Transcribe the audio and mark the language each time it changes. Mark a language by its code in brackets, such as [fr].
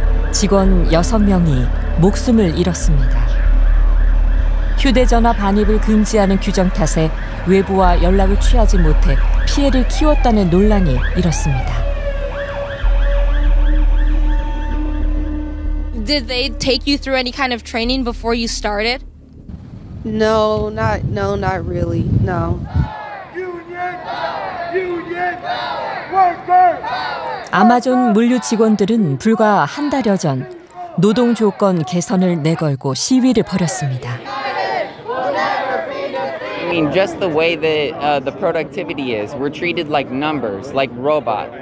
[ko] 직원 6명이 목숨을 잃었습니다. 휴대전화 반입을 금지하는 규정 탓에 외부와 연락을 취하지 못해 피해를 키웠다는 논란이 일었습니다. [en] Did they take you through any kind of training before you started? No, not really. No. Union! Union! Worker! [ko] 아마존 물류 직원들은 불과 한 달여 전 노동 조건 개선을 내걸고 시위를 벌였습니다. [en] I mean, just the way that the productivity is, we're treated like numbers, like robot.